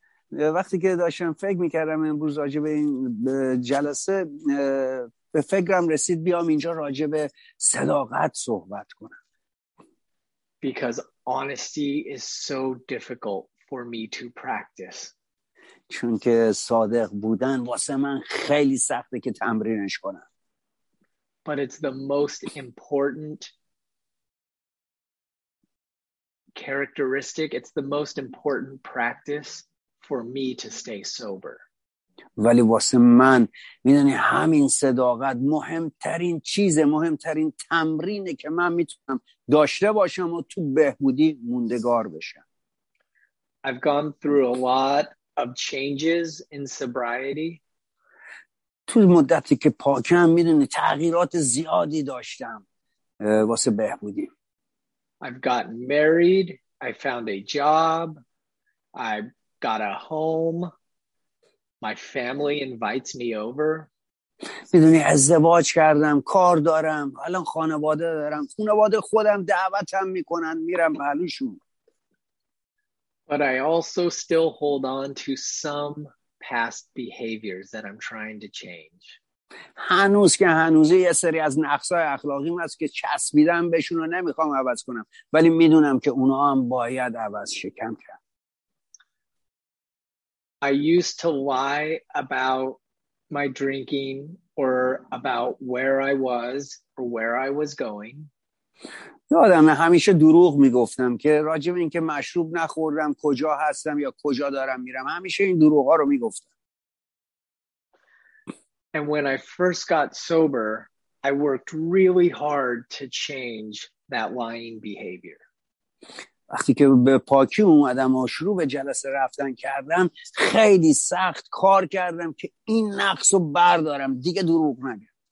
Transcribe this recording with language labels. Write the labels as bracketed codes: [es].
[fa] وقتی که داشتم فکر میکردم امروز راجع به این جلسه به فکرم رسید بیام اینجا راجع به صداقت صحبت کنم. [en] Because honesty is so difficult for me to practice. [fa] چون که صادق بودن واسه من خیلی سخته که تمرینش کنم. [en] But it's the most important characteristic. It's the most important practice for me to stay sober. [fa] ولی واسه من میدونی همین صداقت مهمترین چیزه، مهمترین تمرینه که من میتونم داشته باشم و تو بهبودی موندگار بشم. [en] I've gone through a lot of changes in sobriety. [fa] تو مدتی که پاکم میدونی تغییرات زیادی داشتم واسه بهبودی. [en] I've gotten married, I found a job, I got a home, my family invites me over. [fa] میدونی ازدواج کردم، کار دارم، الان خانواده دارم، خانواده خودم دعوتم میکنن، میرم محلشون. [en] But I also still hold on to some past behaviors that I'm trying to change. [fa] هنوز که هنوزه یه سری از نقصای اخلاقیم هست که چسبیدم بهشون رو نمیخوام عوض کنم، ولی میدونم که اونا هم باید عوض شکم کرد. [en] I used to lie about my drinking or about where I was or where I was going. [fa] یادم همیشه دروغ میگفتم که راجب این که مشروب نخوردم کجا هستم یا کجا دارم میرم، همیشه این دروغا رو میگفتم. [en] And when I first got sober, I worked really hard to change that lying behavior. [fa] وقتی که به پاکی اومدم و شروع به جلسه رفتن کردم، خیلی سخت کار کردم که این نقص رو بردارم، دیگه دروغ نگم.